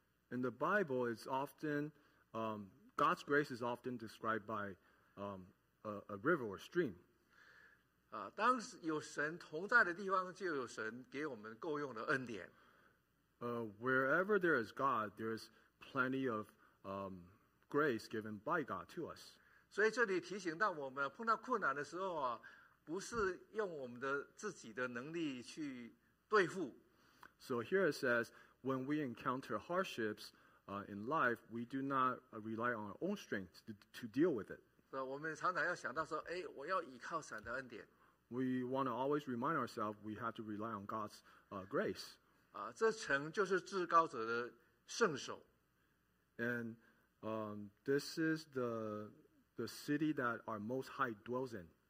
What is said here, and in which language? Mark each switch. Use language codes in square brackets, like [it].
[en] In the Bible, it's often God's grace is often described by a river or stream. [zh] 当有神同在的地方，就有神给我们够用的恩典。 [en] Wherever there is God, there is plenty of grace given by God to us. [zh] 所以这里提醒到我们，碰到困难的时候啊，不是用我们的自己的能力去对付。 [en] So here it says, when we encounter hardships in life, we do not rely on our own strength to deal with it. [zh] 我们常常要想到说，哎，我要依靠神的恩典。 [en] We want to always remind ourselves we have to rely on God's grace. [zh] 这城就是至高者的圣所。 [en] And this is the city that our Most High dwells in.